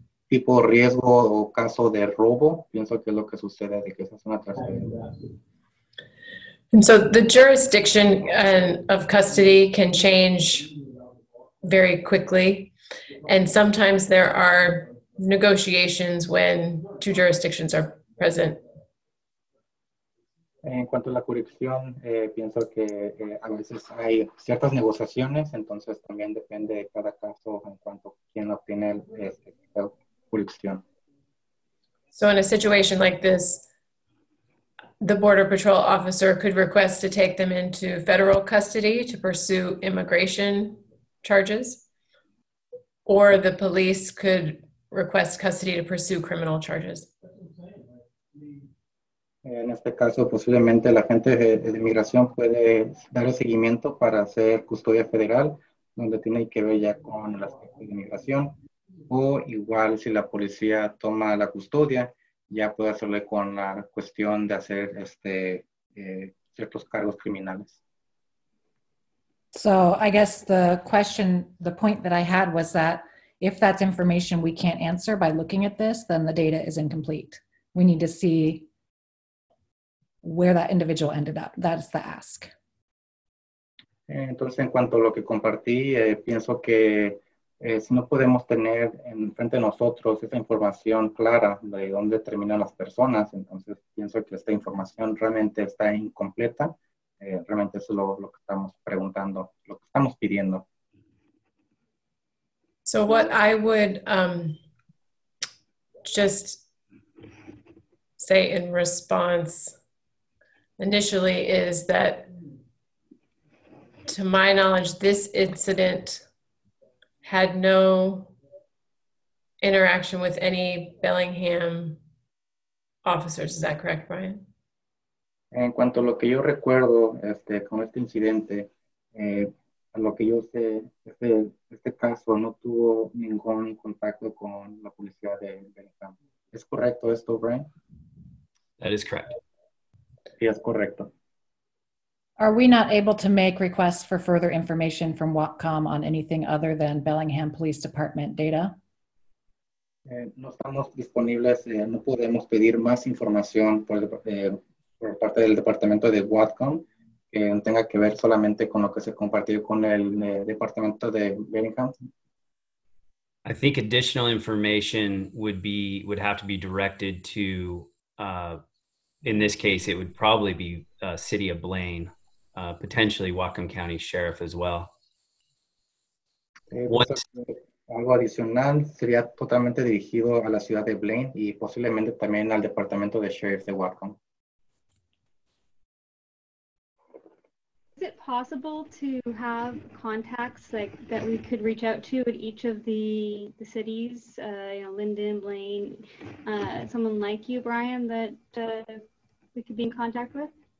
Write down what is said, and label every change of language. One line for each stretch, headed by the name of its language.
Spanish: Tipo riesgo o caso de robo, pienso que es lo que sucede, de que esa es una transferencia.
English: And so the jurisdiction of custody can change very quickly, and sometimes there are negotiations when two jurisdictions are present.
Spanish: En cuanto a la jurisdicción, pienso que a veces hay ciertas negociaciones, entonces también depende de cada caso en cuanto a quién obtiene el
English: So in a situation like this, the Border Patrol officer could request to take them into federal custody to pursue immigration charges, or the police could request custody to pursue criminal charges.
Spanish: En este caso, posiblemente la gente de inmigración puede dar seguimiento para hacer custodia federal, donde tiene que ver ya con el aspecto de inmigración. O igual si la policía toma la custodia, ya puede hacerle con la cuestión de hacer ciertos cargos criminales.
English: So I guess the point that I had was that if that's information we can't answer by looking at this, then the data is incomplete. We need to see where that individual ended up. That's the ask.
Spanish: Entonces, en cuanto a lo que compartí, pienso que si no podemos tener en frente de nosotros esa información clara de dónde terminan las personas, entonces pienso que esta información realmente está incompleta. Realmente eso es lo que estamos preguntando, lo que estamos pidiendo.
English: So what I would just say in response initially is that, to my knowledge, this incident had no interaction with any Bellingham officers. Is that correct, Brian?
Spanish: En cuanto a lo que yo recuerdo con este incidente, a lo que yo sé, este caso no tuvo ningún contacto con la policía de Bellingham. ¿Es correcto esto, Brian?
English: That is correct.
Spanish: Sí, es correcto.
English: Are we not able to make requests for further information from Whatcom on anything other than Bellingham Police Department data?
Spanish: No estamos disponibles, no podemos pedir más información por parte del departamento de Whatcom que tenga que ver solamente con lo que se compartió con el departamento de Bellingham.
English: I think additional information would have to be directed to, in this case, it would probably be City of Blaine. Potentially Whatcom County Sheriff as well.
Spanish: Algo adicional sería totalmente dirigido a la ciudad de Blaine y posiblemente también al departamento de sheriff de Whatcom.
English: Is it possible to have contacts like that we could reach out to at each of the cities, Linden, Blaine, someone like you, Brian, that we could be in contact with?